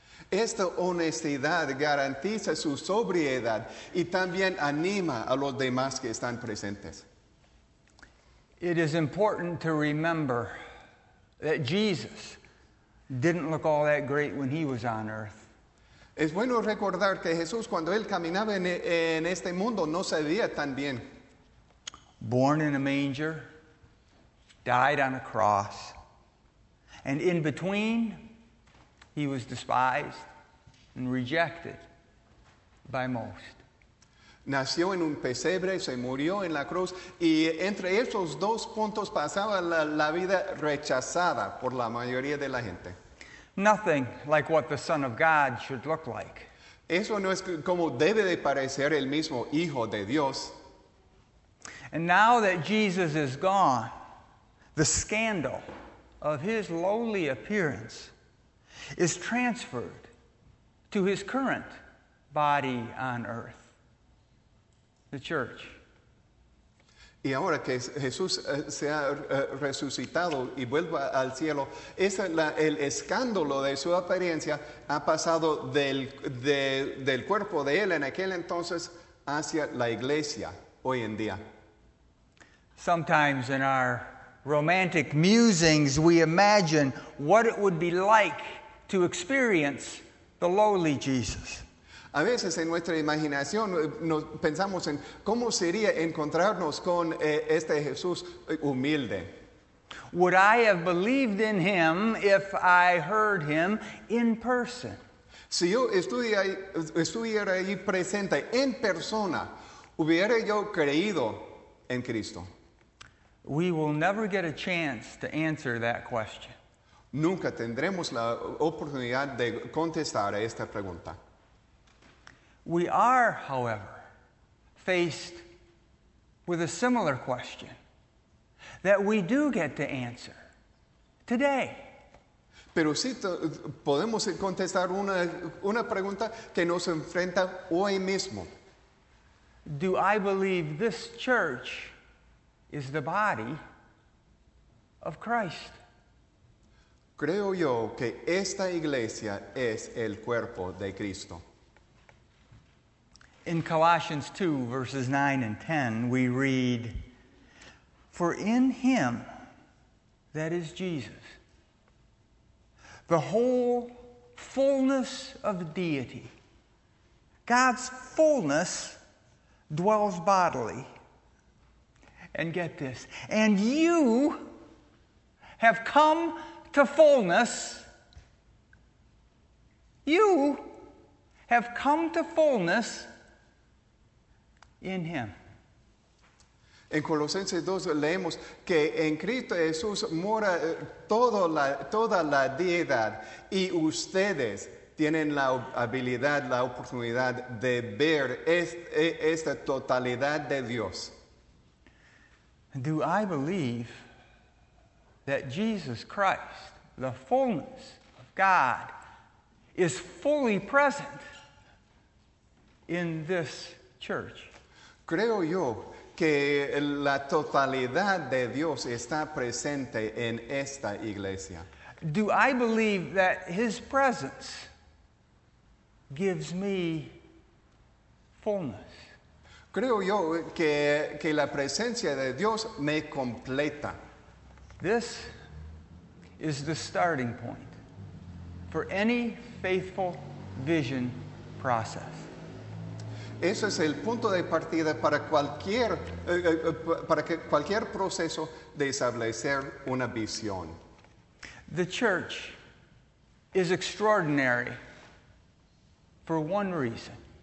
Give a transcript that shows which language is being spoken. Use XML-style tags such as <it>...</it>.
<es>Esta honestidad garantiza su sobriedad y también anima a los demás que están presentes.</es> <en>It is important to remember that Jesus didn't look all that great when he was on earth.</en> <es>Es bueno recordar que Jesús, cuando él caminaba en este mundo, no se veía tan bien.</es> <en>Born in a manger, died on a cross, and in between, he was despised and rejected by most.</en> <es>Nació en un pesebre, se murió en la cruz, y entre esos dos puntos pasaba la vida rechazada por la mayoría de la gente.</es> <en>Nothing like what the Son of God should look like.</en> <es>Eso no es como debe de parecer el mismo Hijo de Dios.</es> <en>And now that Jesus is gone, the scandal of his lowly appearance is transferred to his current body on earth, the church.</en> <es>Y ahora que Jesús se ha resucitado y vuelva al cielo, el escándalo de su apariencia ha pasado del cuerpo de él en aquel entonces hacia la iglesia hoy en día.</es> <en>Sometimes in our romantic musings, we imagine what it would be like to experience the lowly Jesus.</en> <es>A veces en nuestra imaginación pensamos en cómo sería encontrarnos con este Jesús humilde.</es> <en>Would I have believed in him if I heard him in person?</en> <es>Si yo estuviera ahí presente en persona, hubiera yo creído en Cristo.</es> <en>We will never get a chance to answer that question.</en> <es>Nunca tendremos la oportunidad de contestar a esta pregunta.</es> <en>We are, however, faced with a similar question that we do get to answer today.</en> <es>Pero sí podemos contestar una pregunta que nos enfrenta hoy mismo.</es> <en>Do I believe this church is the body of Christ?</en> <es>Creo yo que esta iglesia es el cuerpo de Cristo.</es> <en>In Colossians 2, verses 9 and 10, we read, "For in him, that is Jesus, the whole fullness of deity, God's fullness, dwells bodily." And get this, "And you have come to fullness." You have come to fullness in him.</en> <es>En Colosenses 2 leemos que en Cristo Jesús mora toda la deidad, y ustedes tienen la habilidad, la oportunidad de ver esta totalidad de Dios.</es> <en>Do I believe that Jesus Christ, the fullness of God, is fully present in this church?</en> <es>Creo yo que la totalidad de Dios está presente en esta iglesia.</es> <en>Do I believe that his presence gives me fullness?</en> <es>Creo yo que la presencia de Dios me completa.</es> <en>This is the starting point for any faithful vision process.</en> <es>Eso es el punto de partida para cualquier proceso de establecer una visión.</es> <en>The church is extraordinary for one reason.</en>